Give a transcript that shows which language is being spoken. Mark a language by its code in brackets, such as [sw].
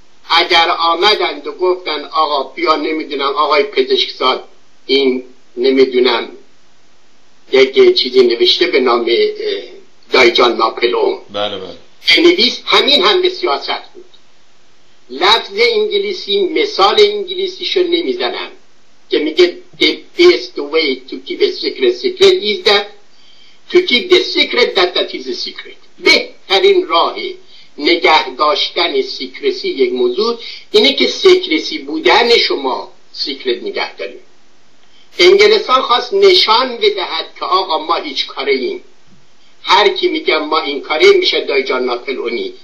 [fa] اگر آمدند و گفتن آقا بیا نمیدونم آقای پزشکزاد این نمیدونم یک چیزی نوشته به نام دایجان ناپلئون، بله نویس، همین هم به سیاست بود. لفظ انگلیسی، مثال انگلیسیشو نمیزنم که میگه [en] the best way to keep a secret secret is that to keep the secret that that is a secret. [fa] بهترین راه نگه داشتن سیکرسی یک موضوع اینه که سیکرسی بودن شما سیکرت نگه داریم. انگلستان خواست نشان بدهد که آقا ما هیچ کاره ایم، هر کی میگم ما این کاره میشه دایجان ناپلئونی.